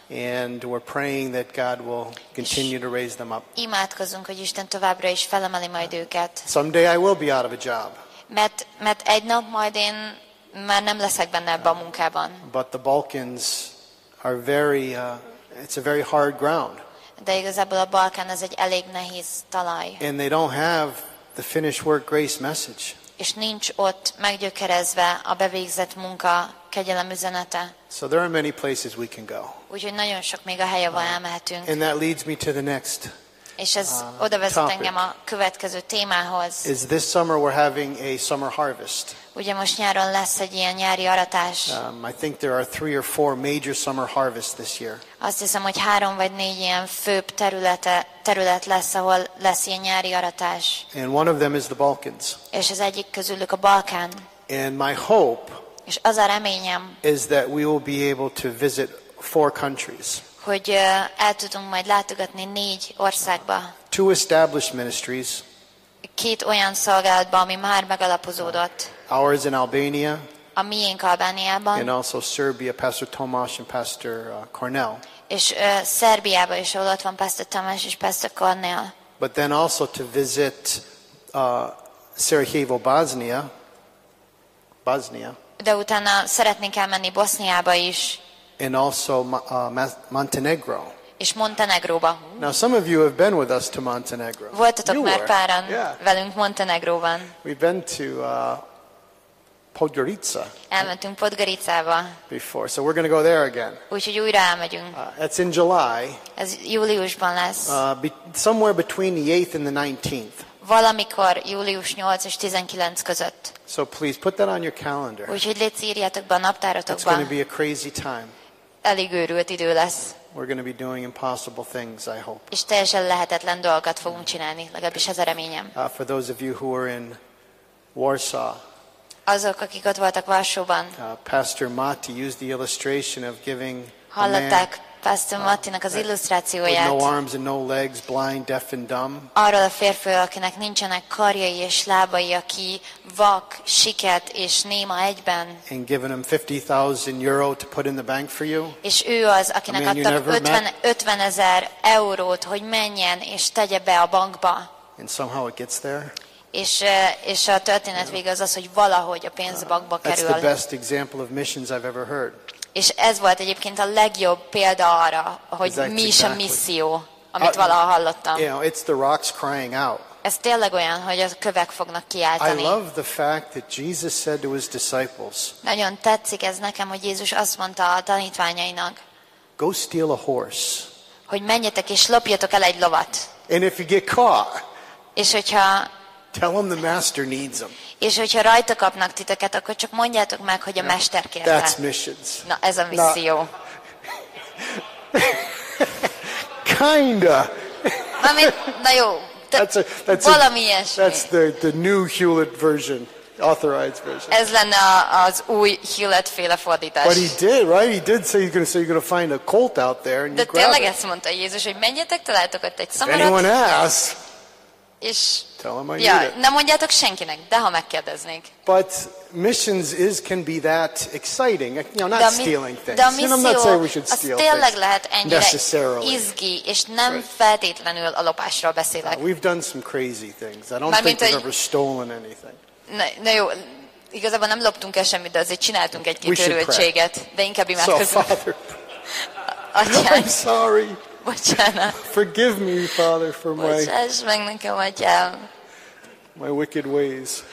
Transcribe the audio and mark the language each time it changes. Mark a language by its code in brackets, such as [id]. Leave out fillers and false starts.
[en] And we're praying that God will continue to raise them up. [hu] Imádkozunk, hogy Isten továbbra is felemeli majd őket. [en] Someday I will be out of a job. [hu] Mert egy nap majd én már nem leszek benne ebben a munkában. [en] But the Balkans are very, it's a very hard ground. [hu] De igazából a Balkán az egy elég nehéz talaj. [en] And they don't have the finished work grace message. [hu] És nincs ott meggyökerezve a bevégzett munka kegyelem üzenete. [en] So there are many places we can go. [hu] Úgyhogy nagyon sok még a hely, ahol elmehetünk. [en] And that leads me to the next. [hu] És ez oda vezet engem a következő témához. [en] Is this summer we're having a summer harvest. [hu] Ugye most nyáron lesz egy ilyen nyári aratás. [en] I think there are 3 or 4 major summer harvests this year. [hu] Azt hiszem, hogy 3 vagy 4 ilyen főbb terület lesz, ahol lesz ilyen nyári aratás. [en] And one of them is the Balkans. [hu] És az egyik közülük a Balkán. [en] And my hope [hu] és az a reményem [en] is that we will be able to visit 4 countries. [hu] Hogy el tudunk majd látogatni 4 országba. [en] 2 established ministries. [hu] 2 olyan szolgálatba, ami már megalapozódott. [en] Ours in Albania. [hu] A miénk Albániában. [en] And also Serbia, Pastor Tomas and Pastor Cornell. [hu] És Szerbiában is, ahol ott van Pastor Tomas és Pastor Cornell. [en] But then also to visit Sarajevo, Bosnia. Bosnia. [hu] De utána szeretnénk elmenni Boszniába is. [en] And also Montenegro. [hu] És Montenegróba. [en] Now some of you have been with us to Montenegro. [hu] Voltatok már páran velünk Montenegróban. [en] We've been to Podgorica. [hu] Elmentünk Podgoricába. [en] Before, so we're going to go there again. [hu] Úgyhogy újra elmegyünk. [en] That's in July. [hu] Ez júliusban lesz. [en] Somewhere between the 8th and the 19th. [hu] Valamikor július 8 és 19 között. [en] So please put that on your calendar. [hu] Úgyhogy légy írjátok be a naptáratokba. [en] It's going to be a crazy time. [hu] Elég őrült idő lesz. [en] We're going to be doing impossible things, I hope. [hu] És teljesen lehetetlen dolgokat fogunk csinálni, legalábbis ez a reményem. [en] For those of you who are in Warsaw. [hu] Azok, akik ott voltak Varsóban. [en] Pastor Matti used the illustration of giving [hu] hallották Pastor Mattinak az illusztrációját. [en] No arms and no legs, blind, deaf and dumb. [hu] Arról a férfiről, akinek nincsenek karjai és lábai, aki vak, siket és néma egyben. [en] And given him 50,000 euro to put in the bank for you. [hu] És ő az, akinek adtak 50 ezer eurót, hogy menjen és tegye be a bankba. [en] And somehow it gets there. [hu] És a történet vége az, hogy valahogy a pénzbakba kerül. [en] That's the best example of missions I've ever heard. [hu] És ez volt egyébként a legjobb példa arra, hogy mi is a misszió, amit valaha hallottam. [en] You know, it's the rocks crying out. [hu] Ez tényleg olyan, hogy a kövek fognak kiáltani. [en] I love the fact that Jesus said to his disciples. [hu] Nagyon tetszik ez nekem, hogy Jézus azt mondta a tanítványainak. [en] Go steal a horse. [hu] Hogy menjetek és lopjatok el egy lovat. [en] And if you get caught. [hu] És hogyha [en] tell them the master needs them. [hu] És hogyha rajta kapnak titeket, akkor csak mondjátok meg, hogy a no, mester kérte. [en] That's missions. [hu] Na, ez a misszió. [en] Kinda. [hu] Mami, na jó. [en] That's the new Hewlett version, authorized version. [hu] Ez lenne az új Hewlett-féle fordítás. [en] But he did, right? He did say you're gonna find a colt out there and [hu] de [en] you grab it. [hu] De tényleg ezt mondta Jézus, hogy menjetek, találtok ott egy szamarat. [en] Anyone asks? [hu] És [en] tell him I [hu] ja, [en] need it. [hu] Nem mondjátok senkinek, de ha megkérdeznék. [en] But missions can be that exciting. You know, not stealing things. And I'm not saying we should steal things. [hu] De a misszió izgi, és nem [en] right. [hu] Feltétlenül a lopásról beszélek. [en] We've done some crazy things. I don't think we've ever stolen anything. [hu] Na jó, igazából nem loptunk el semmit, de azért csináltunk egy-két örültséget. De inkább imádkozunk. [en] So, Father, I'm sorry. Forgive me, Father, for my wicked ways.